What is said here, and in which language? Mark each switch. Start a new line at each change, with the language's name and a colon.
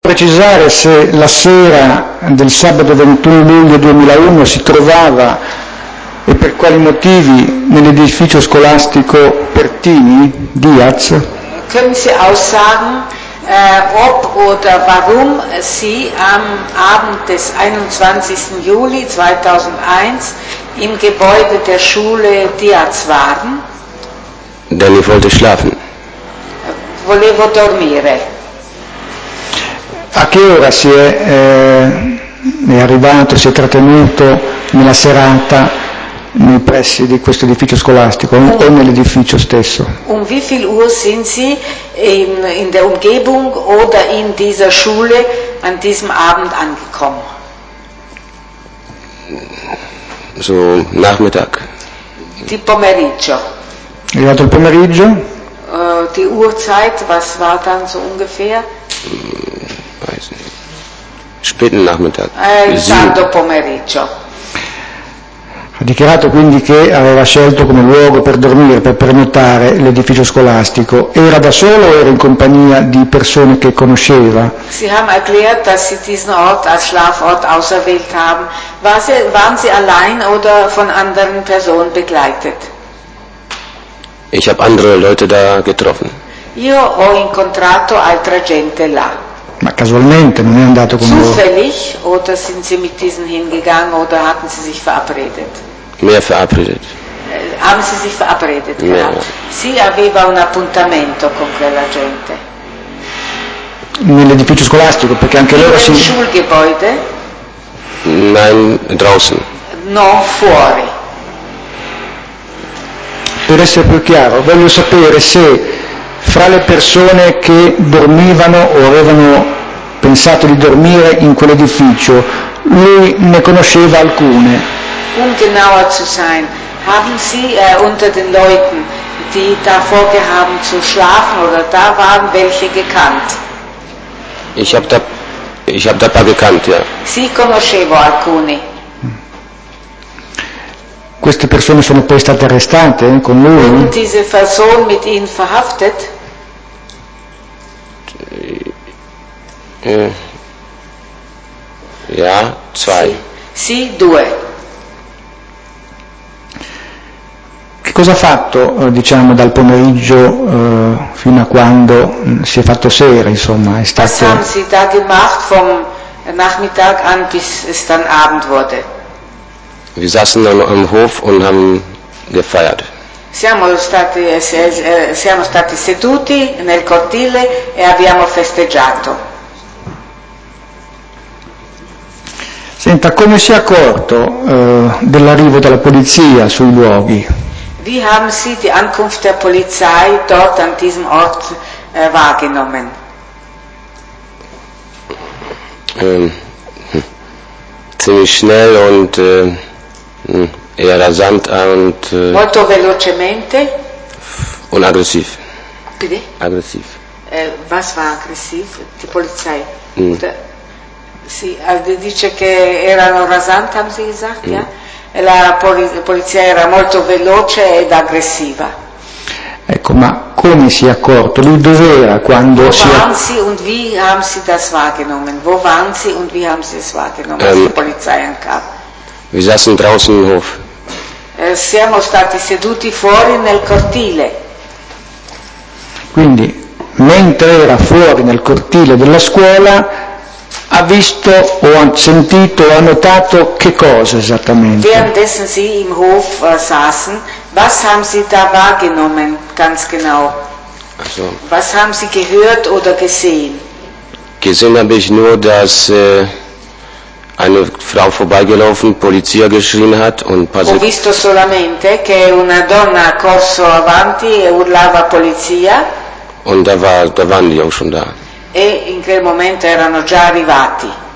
Italian: precisare se la sera del sabato 21 luglio 2001 si trovava e per quali motivi nell'edificio scolastico Pertini, Diaz?
German: Können Sie aussagen, ob oder warum Sie am Abend des 21. Juli 2001 im Gebäude der Schule Diaz waren? Denn ich wollte schlafen.
Italian: Volevo dormire. A che ora si è arrivato, si è trattenuto nella serata nei pressi di questo edificio scolastico o nell'edificio stesso?
German: Um wie viel Uhr sind Sie in der Umgebung oder in dieser Schule an diesem Abend angekommen? So Nachmittag.
Italian: Tipo pomeriggio. Arrivato il pomeriggio?
German: Die Uhrzeit, was war dann so ungefähr? Weiß nicht. Späten Nachmittag.
Italian: Tardo pomeriggio. Ha dichiarato quindi che aveva scelto come luogo per dormire, per prenotare l'edificio scolastico. Era da solo o era in compagnia di persone che conosceva?
German: Sie haben erklärt, dass Sie diesen Ort als Schlafort auserwählt haben. Waren Sie allein oder von anderen Personen begleitet? Ich habe andere Leute da getroffen.
Italian: Io ho incontrato altra gente là. Ma casualmente non è andato con
German: zufällig,
Italian: loro.
German: Zufällig oder sind Sie mit diesen hingegangen oder hatten Sie sich verabredet? Mehr verabredet. Haben Sie sich verabredet? Mehr.
Italian: Sì, aveva un appuntamento con quella gente. Nell'edificio scolastico, perché anche in loro si. Nel Schulgebäude?
German: Nein, draußen.
Italian: No, fuori. Per essere più chiaro, voglio sapere se fra le persone che dormivano o avevano pensato di dormire in quell'edificio, lui ne conosceva alcune.
German: Um genauer zu sein, haben Sie unter den Leuten, die da vorgehaben zu schlafen oder da waren, welche gekannt? Ich hab da paar gekannt, ja.
Italian: Sì, conoscevo alcuni. Queste persone sono poi state arrestate con lui?
German: Und diese Person mit ihnen verhaftet? Ja, zwei.
Italian: Sì, due. Che cosa ha fatto, diciamo, dal pomeriggio fino a quando si è fatto sera, insomma, è stato?
German: Was haben Sie da gemacht vom Nachmittag an bis es dann Abend wurde? Wir saßen dann am Hof und haben gefeiert.
Italian: Siamo stati seduti nel cortile e abbiamo festeggiato. Senta, come si è accorto dell'arrivo della polizia sui luoghi?
German: Wie haben Sie die Ankunft der Polizei dort an diesem Ort wahrgenommen? Ziemlich schnell und eher rasant und
Italian: molto velocemente
German: und aggressiv. Bitte? Aggressiv. Was war aggressiv? Die Polizei.
Italian: Sì, dice che erano rasant,
German: haben Sie gesagt, ja?
Italian: La polizia era molto veloce ed aggressiva. Ecco, ma come si è accorto? Lui dov'era quando
German: wo
Italian: si è...
German: waren Sie und wie haben Sie das wahrgenommen? Wo waren Sie und wie haben Sie das wahrgenommen, als die Polizei ankam? Wir saßen draußen im Hof. Siamo stati seduti fuori nel cortile. Quindi, mentre era fuori nel cortile della scuola, ha visto o ha sentito o ha notato che cosa esattamente? Währenddessen Sie im Hof saßen, was haben Sie da wahrgenommen, ganz genau? Also, was haben Sie gehört oder gesehen? Gesehen habe ich nur, dass eine Frau vorbeigelaufen, Polizia geschrien hat und
Italian: ho visto solamente che una donna ha corso avanti e urlava polizia.
German: Und da waren die auch schon da.
Italian: E in quel momento erano già arrivati.